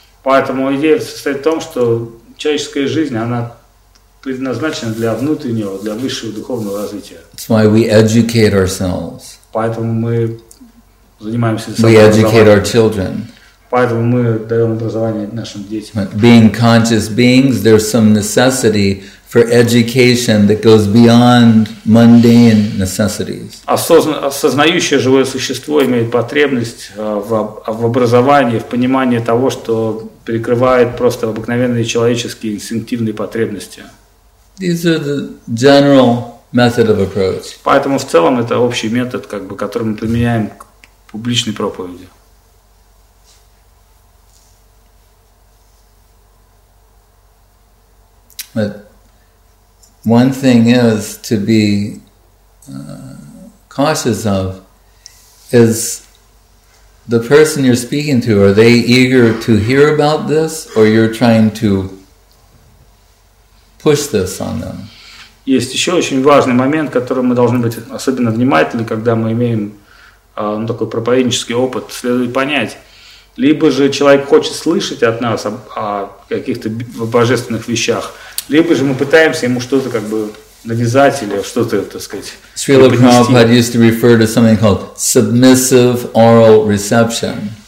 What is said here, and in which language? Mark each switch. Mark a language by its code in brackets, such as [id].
[ru] Поэтому идея состоит в том, что человеческая жизнь, она предназначена для внутреннего, для высшего духовного развития. [en] That's why we educate ourselves. [ru] Поэтому мы занимаемся [en] We educate our children. [ru] Поэтому мы даем образование нашим детям. [en] But being conscious beings, there's some necessity for education that goes beyond mundane necessities. [ru] Осознающее живое существо имеет потребность в образовании, в понимании того, что перекрывает просто обыкновенные человеческие инстинктивные потребности. [en] These are the general method of approach. [ru] Поэтому в целом это общий метод, как бы, который мы применяем к публичной проповеди. [en] But one thing is to be cautious of is the person you're speaking to, are they eager to hear about this or you're trying to push this on them? [ru] Есть еще очень важный момент, которым мы должны быть особенно внимательны, когда мы имеем такой проповеднический опыт, следует понять. Либо же человек хочет слышать от нас о каких-то божественных вещах, либо же мы пытаемся ему что-то как бы навязать или что-то, так сказать, [en] Srila Prabhupada used to refer to something called submissive oral reception.